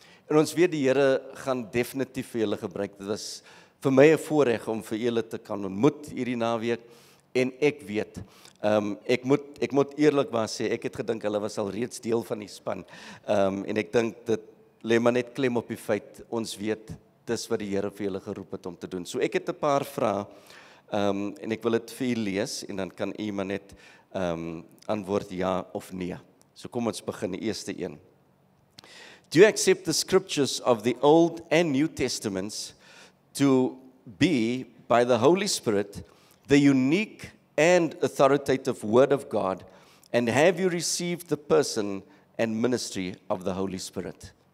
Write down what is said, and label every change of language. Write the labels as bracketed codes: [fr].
[af] En ons weet die Here gaan definitief vir julle gebruik. Dit was vir my 'n voorreg om vir julle te kan ontmoet hierdie naweek. En ek weet, ek moet eerlikwaar sê, ek het gedink hulle was al reeds deel van die span. En ek dink dit lê maar net klem op die feit, ons weet, dis wat die Here vir julle geroep het om te doen. So ek het 'n paar vrae, en ek wil dit vir u lees, en dan kan u maar net antwoord ja of nee. So kom ons begin, die eerste een. [en] Do you accept the scriptures of the Old and New Testaments to be, by the Holy Spirit, the unique and authoritative word of God, and have you received the person and ministry of the Holy Spirit?